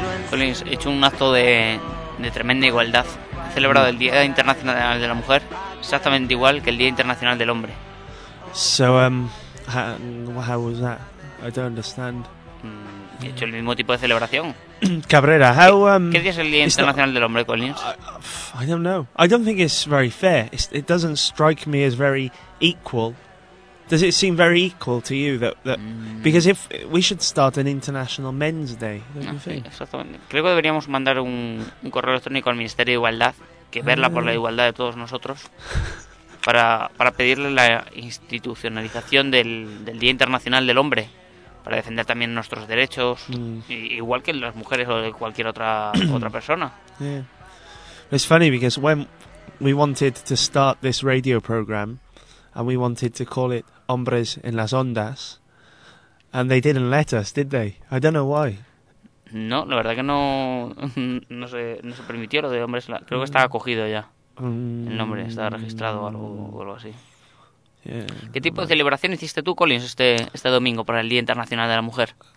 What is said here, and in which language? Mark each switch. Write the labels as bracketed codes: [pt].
[es] Collins, he hecho un acto de tremenda igualdad. He celebrado el Día Internacional de la Mujer exactamente igual que el Día Internacional del Hombre. [en] So, how was that? I don't understand. [es] He hecho el mismo tipo de celebración. Cabrera, ¿qué día es el Día Internacional del Hombre, Collins? [en] I don't know. I don't think it's very fair. It doesn't strike me as very equal. does it seem very equal to you that because if we should start an International Men's Day, don't you think? [es] Creo que deberíamos mandar un correo electrónico al Ministerio de Igualdad, que verla por la igualdad de todos nosotros, para pedirle la institucionalización del Día Internacional del Hombre, para defender también nuestros derechos, igual que las mujeres o de cualquier otra persona. [en] Yeah. It's funny because when we wanted to start this radio program and we wanted to call it Hombres en las Ondas, and they didn't let us, did they? I don't know why. [es] No, la verdad que no se permitió lo de Hombres. Creo que estaba acogido ya. El nombre está registrado o algo así. [en] Yeah. [es] ¿Qué tipo de celebración hiciste tú, Collins, este domingo para el Día Internacional de la Mujer?